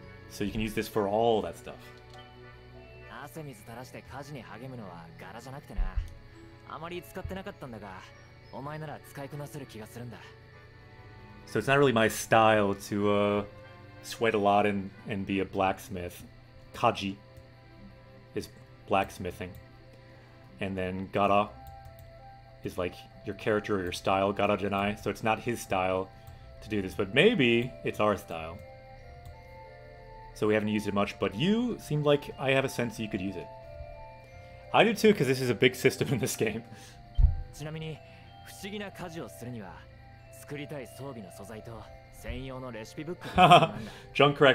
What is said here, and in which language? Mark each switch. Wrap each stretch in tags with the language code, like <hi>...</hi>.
<en>So you can use this for all that stuff.</en> <ja>汗水垂らして火事に励むのは柄じゃなくてな、あまり使ってなかったんだが、お前なら使いこなせる気がするんだ。</ja> <en>So it's not really my style to sweat a lot and be a blacksmith. Kaji is blacksmithing. And then Gara is like your character or your style,</en> <ja>Gara Janai.</ja> <en>So it's not his style to do this, but maybe it's our style. So we haven't used it much, but you seem like I have a sense you could use it. I do too, because this is a big system in this game.</en> <ja>ちなみに不思議な家事をするには作りたい装備の素材と専用のレシピブックが必要なんだ。</ja>